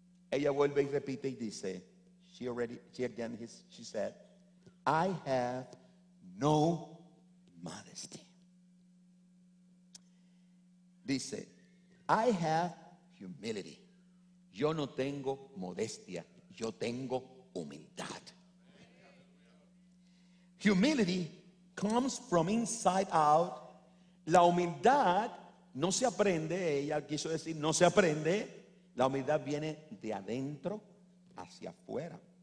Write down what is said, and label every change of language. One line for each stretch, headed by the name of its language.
Spanish: Ella vuelve y repite y dice,
English: she said, I have no modesty.
Spanish: Dice,
English: I have humility.
Spanish: Yo no tengo modestia, yo tengo humildad.
English: Humility comes from inside out.
Spanish: La humildad no se aprende, ella quiso decir, no se aprende. La humildad viene de adentro hacia afuera.